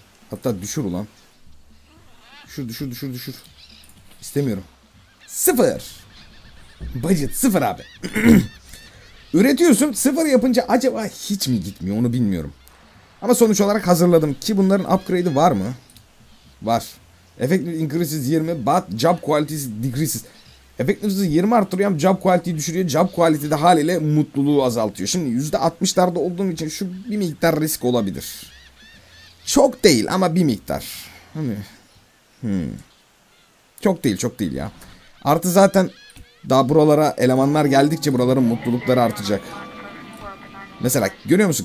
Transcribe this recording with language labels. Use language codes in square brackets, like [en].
[tr] Hatta düşür ulan. Düşür. İstemiyorum. Sıfır. Budget sıfır abi. Üretiyorsun, sıfır yapınca acaba hiç mi gitmiyor onu bilmiyorum. Ama sonuç olarak hazırladım ki bunların upgrade'i var mı? Var. [en] Effective increases 20 but job quality decreases. [tr] Effectiveness'ı 20 artırıyor, job quality'yi düşürüyor. Job quality de haliyle mutluluğu azaltıyor. Şimdi %60'larda olduğum için şu bir miktar risk olabilir. Çok değil ama bir miktar. Hani. Çok değil, çok değil ya. Artı zaten daha buralara elemanlar geldikçe buraların mutlulukları artacak. Mesela görüyor musun?